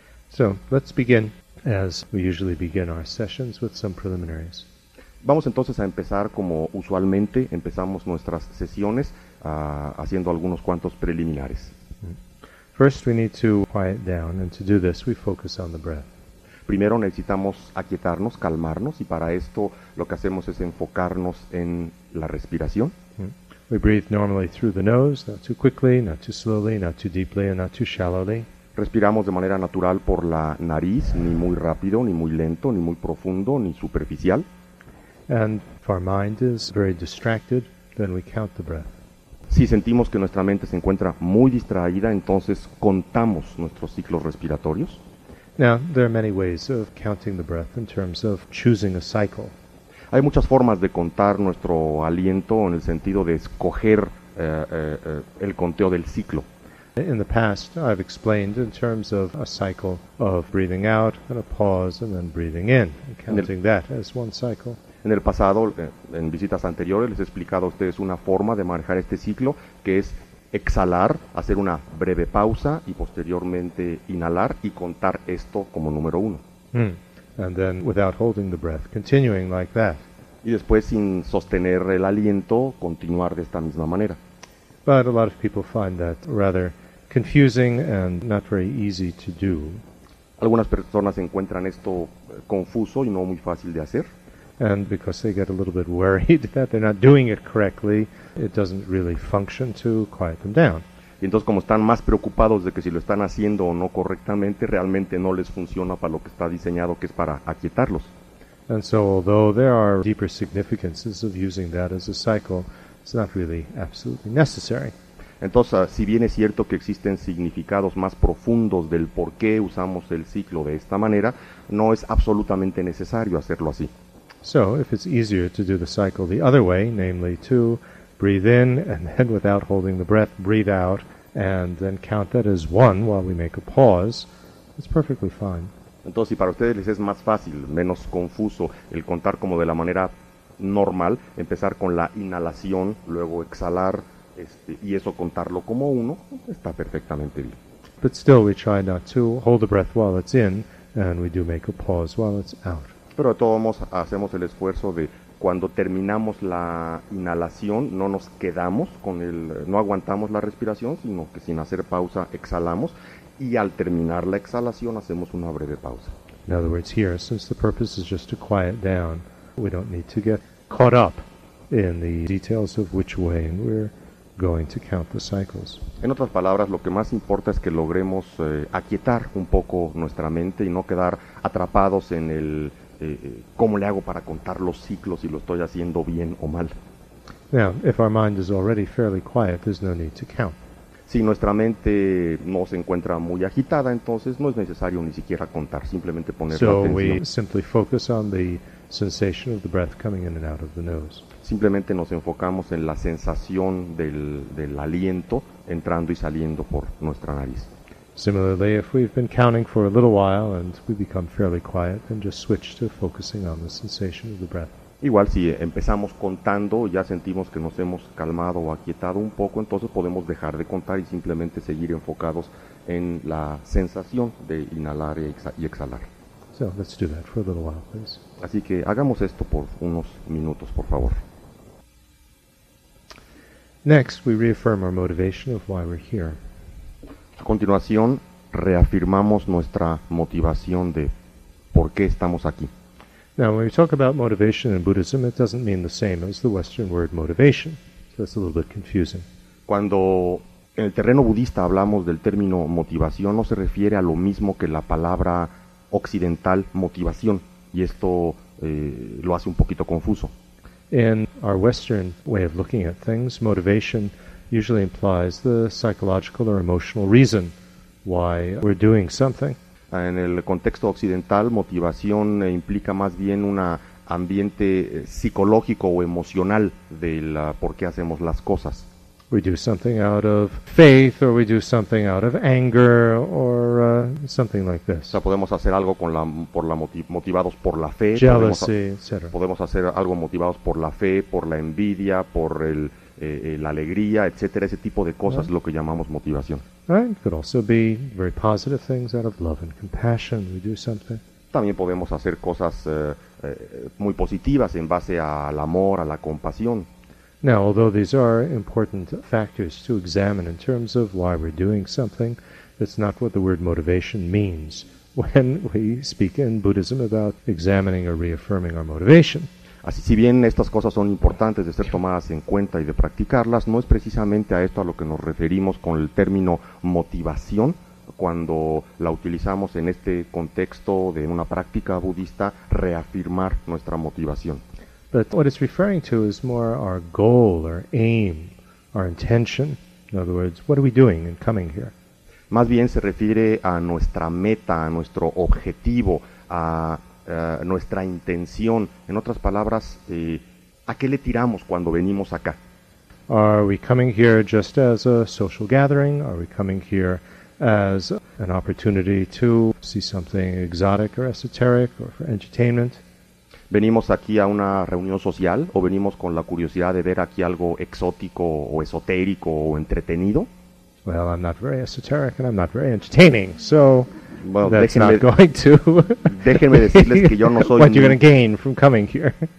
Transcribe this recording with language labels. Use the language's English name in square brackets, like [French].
[English] So, let's begin as we usually begin our sessions with some preliminaries. [Spanish] Vamos entonces a empezar como usualmente empezamos nuestras sesiones haciendo algunos cuantos preliminares. [English] First we need to quiet down, and to do this we focus on the breath. [Spanish] Primero necesitamos aquietarnos, calmarnos, y para esto lo que hacemos es enfocarnos en la respiración. [English] We breathe normally through the nose, not too quickly, not too slowly, not too deeply, and not too shallowly. [Spanish] Respiramos de manera natural por la nariz, ni muy rápido, ni muy lento, ni muy profundo, ni superficial. [English] And if our mind is very distracted, then we count the breath. [Spanish] Si sentimos que nuestra mente se encuentra muy distraída, entonces contamos nuestros ciclos respiratorios. [English] Now, there are many ways of counting the breath in terms of choosing a cycle. [Spanish] Hay muchas formas de contar nuestro aliento en el sentido de escoger el conteo del ciclo. [English] In the past, I've explained in terms of a cycle of breathing out and a pause and then breathing in, and counting that as one cycle. [Spanish] En el pasado, en visitas anteriores, les he explicado a ustedes una forma de manejar este ciclo, que es exhalar, hacer una breve pausa y posteriormente inhalar y contar esto como número uno. [English] And then without holding the breath, continuing like that. [Spanish] Y después, sin sostener el aliento, continuar de esta misma manera. [English] But a lot of people find that rather confusing and not very easy to do. [Spanish] Algunas personas encuentran esto confuso y no muy fácil de hacer. [English] And because they get a little bit worried that they're not doing it correctly, it doesn't really function to quiet them down. [Spanish] Y entonces, como están más preocupados de que si lo están haciendo o no correctamente, realmente no les funciona para lo que está diseñado, que es para aquietarlos. [English] And so, although there are deeper significances of using that as a cycle, it's not really absolutely necessary. [Spanish] Entonces, si bien es cierto que existen significados más profundos del por qué usamos el ciclo de esta manera, no es absolutamente necesario hacerlo así. [English] So, if it's easier to do the cycle the other way, namely to breathe in and then without holding the breath, breathe out and then count that as one while we make a pause, it's perfectly fine. [Spanish] Entonces, si para ustedes les es más fácil, menos confuso, el contar como de la manera normal, empezar con la inhalación, luego exhalar, y eso contarlo como uno, está perfectamente bien. [English] But still, we try not to hold the breath while it's in and we do make a pause while it's out. [Spanish] Pero de todos modos hacemos el esfuerzo de cuando terminamos la inhalación no nos quedamos con el, no aguantamos la respiración, sino que sin hacer pausa exhalamos y al terminar la exhalación hacemos una breve pausa. [English] In other words, here, since the purpose is just to quiet down, we don't need to get caught up in the details of which way we're going to count the cycles. [Spanish] En otras palabras, lo que más importa es que logremos aquietar un poco nuestra mente y no quedar atrapados en el ¿cómo le hago para contar los ciclos y lo estoy haciendo bien o mal? [English] Now, if our mind is already fairly quiet, there's no need to count. [Spanish] Si nuestra mente no se encuentra muy agitada, entonces no es necesario ni siquiera contar, simplemente poner la atención. [English] So we simply focus on the sensation of the breath coming in and out of the nose. [Spanish] Simplemente nos enfocamos en la sensación del aliento entrando y saliendo por nuestra nariz. [English] Similarly, if we've been counting for a little while and we become fairly quiet, then just switch to focusing on the sensation of the breath. [Spanish] Igual, si empezamos contando, ya sentimos que nos hemos calmado o aquietado un poco, entonces podemos dejar de contar y simplemente seguir enfocados en la sensación de inhalar y exhalar. [English] So, let's do that for a little while, please. [Spanish] Así que hagamos esto por unos minutos, por favor. [English] Next, we reaffirm our motivation of why we're here. [Spanish] A continuación, reafirmamos nuestra motivación de por qué estamos aquí. [English] Now, when we talk about motivation in Buddhism, it doesn't mean the same as the Western word motivation. So that's a little bit confusing. [Spanish] Cuando en el terreno budista hablamos del término motivación, no se refiere a lo mismo que la palabra occidental motivación, y esto lo hace un poquito confuso. [English] In our Western way of looking at things, motivation usually implies the psychological or emotional reason why we're doing something. [Spanish] En el contexto occidental, motivación implica más bien un ambiente psicológico o emocional del por qué hacemos las cosas. [English] We do something out of faith, or we do something out of anger, or something like this. [Spanish] O sea, podemos hacer algo con la, por la motivados por la fe. [English] Jealousy, etc. [Spanish] Podemos hacer algo motivados por la fe, por la envidia, por el la alegría, etcétera, ese tipo de cosas, right. Lo que llamamos motivación. [English] Right. Could also be very positive things out of love and compassion. We do something. [Spanish] También podemos hacer cosas muy positivas en base al amor, a la compasión. [English] Now, although these are important factors to examine in terms of why we're doing something, that's not what the word motivation means when we speak in Buddhism about examining or reaffirming our motivation. [Spanish] Así, si bien estas cosas son importantes de ser tomadas en cuenta y de practicarlas, no es precisamente a esto a lo que nos referimos con el término motivación cuando la utilizamos en este contexto de una práctica budista, reafirmar nuestra motivación. [English] But what it's referring to is more our goal, our aim, our intention. In other words, what are we doing in coming here? [Spanish] Más bien se refiere a nuestra meta, a nuestro objetivo, a nuestra intención. En otras palabras, ¿a qué le tiramos cuando venimos acá? [English] Are we coming here just as a social gathering? Are we coming here as an opportunity to see something exotic or esoteric or for entertainment? [Spanish] ¿Venimos aquí a una reunión social o venimos con la curiosidad de ver aquí algo exótico o esotérico o entretenido? [English] Well, I'm not very esoteric and I'm not very entertaining, so well, that's déjenme, not going to [Spanish] déjenme decirles que yo no soy [English] what you're going to gain from coming here.